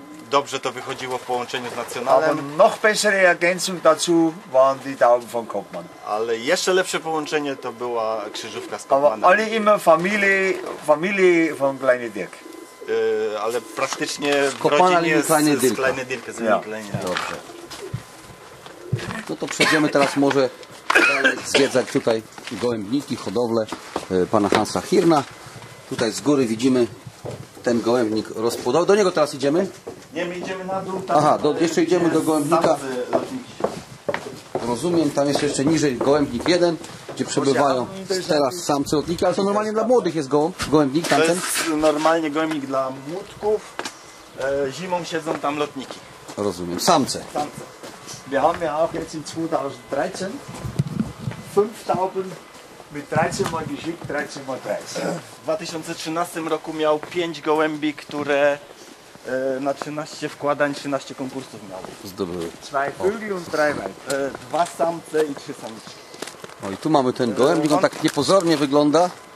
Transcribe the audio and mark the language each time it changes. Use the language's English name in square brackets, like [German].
[Polish] Dobrze to wychodziło w połączeniu z Nacjonalem. [German] Aber noch bessere Ergänzung dazu waren die Tauben von Kopman. [Polish] Ale jeszcze lepsze połączenie to była krzyżówka z Kopmanem. [German] Ale immer Familie von Kleine Dirk. [Polish] Ale praktycznie Kopmana w rodzinie Kleine z Kleine Dirk. Ja. Dobrze. No to przejdziemy teraz może zwiedzać tutaj gołębniki, hodowlę pana Hansa Hirna. Tutaj z góry widzimy ten gołębnik rozpłodowy. Do niego teraz idziemy. Nie, my idziemy na dół. Tam jeszcze idziemy do gołębnika. Rozumiem, tam jest jeszcze niżej gołębnik 1, gdzie przebywają teraz samce lotniki, ale to normalnie dla młodych jest gołębnik tamten. To jest normalnie gołębnik dla młódków. Zimą siedzą tam lotniki. Rozumiem, samce. [German] Wir haben ja auch jetzt in 2013 5 Tauben mit 13 mal geschickt, 13 mal 13. [Polish] W 2013 roku miał 5 gołębi, które na 13 wkładań 13 konkursów miał. Zdobyły. [German] 2 Vögel und 3 Weibchen. [Polish] 2 samce i 3 samiczki. No i tu mamy ten gołębik, on tak niepozornie wygląda.